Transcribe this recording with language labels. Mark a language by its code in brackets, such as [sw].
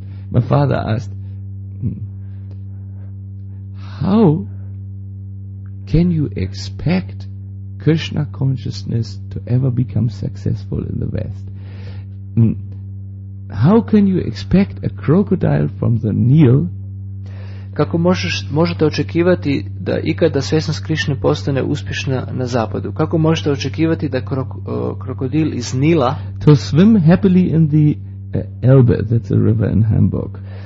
[en] My father asked, how can you expect Krishna consciousness to ever become successful in the West? How can you expect a crocodile from the Nile? [hr] Kako možete očekivati da ikada svjesnost Krišne postane uspješna na zapadu? Kako možete očekivati da krokodil iz Nila [en] to swim happily in the Elbe, that's a river in Hamburg.